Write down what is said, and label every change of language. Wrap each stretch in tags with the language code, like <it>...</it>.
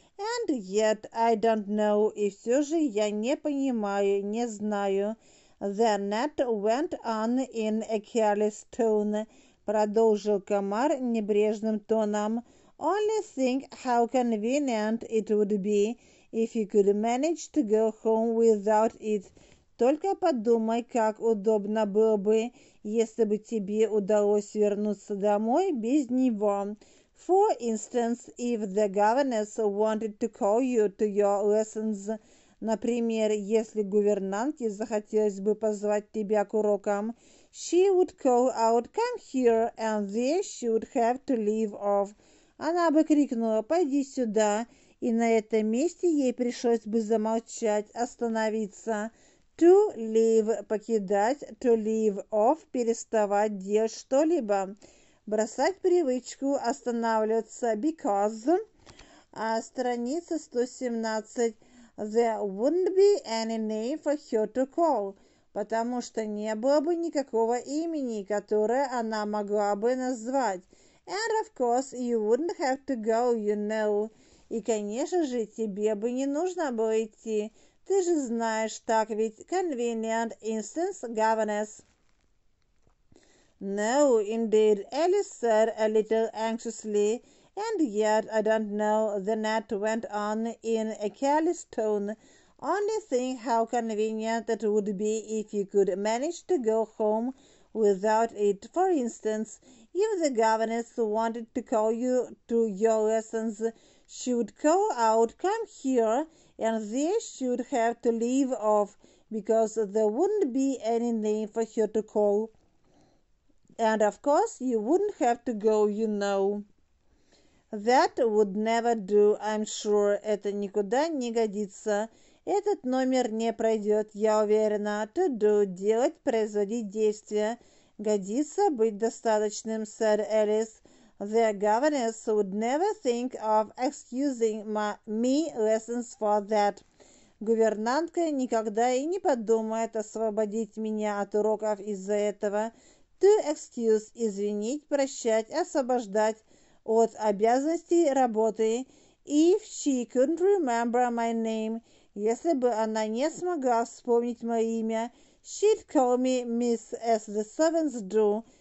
<en>And yet, I don't know,</en> <ru>и все же я не понимаю, не знаю.</ru> <en>The gnat went on in a careless tone,</en> <ru>продолжил комар небрежным тоном.</ru> <en>Only think how convenient it would be if you could manage to go home without it.</en> <ru>Только подумай, как удобно было бы, если бы тебе удалось вернуться домой без него.</ru> <en>For instance, if the governess wanted to call you to your lessons,</en> <ru>например, если гувернантке захотелось бы позвать тебя к урокам,</ru> <en>she would call out, come here, and there she would have to leave off.</en> <ru>Она бы крикнула, пойди сюда, и на этом месте ей пришлось бы замолчать, остановиться.</ru> <en>To leave,</en> <ru>покидать,</ru> <en>to leave off,</en> <ru>переставать делать что-либо. Бросать привычку, останавливаться,</ru> <en>because,</en> <ru>страница 117,</ru> <en>there wouldn't be any name for her to call,</en> <ru>потому что не было бы никакого имени, которое она могла бы назвать.</ru> <en>And, of course, you wouldn't have to go, you know.</en> <ru>И, конечно же, тебе бы не нужно было идти. Ты же знаешь, так ведь,</ru> <en>convenient instance, governess. No, indeed, Alice said a little anxiously. And yet, I don't know, the gnat went on in a careless tone. Only think how convenient it would be if you could manage to go home without it. For instance, if the governess wanted to call you to your lessons, she would call out, come here, and there she would have to leave off, because there wouldn't be any name for her to call. And, of course, you wouldn't have to go, you know. That would never do, I'm sure.</en> <ru>Это никуда не годится. Этот номер не пройдет, я уверена.</ru> <en>To do,</en> <ru>делать, производить действия. Годится, быть достаточным,</ru> <en>said Alice. The governess would never think of excusing me lessons for that.</en> <ru>Гувернантка никогда и не подумает освободить меня от уроков из-за этого.</ru> <en>To excuse,</en> <ru>извинить, прощать, освобождать от обязанностей работы.</ru> <en>If she couldn't remember my name,</en> <ru>если бы она не смогла вспомнить мое имя,</ru> <en>she'd call me miss as the servants do.</en>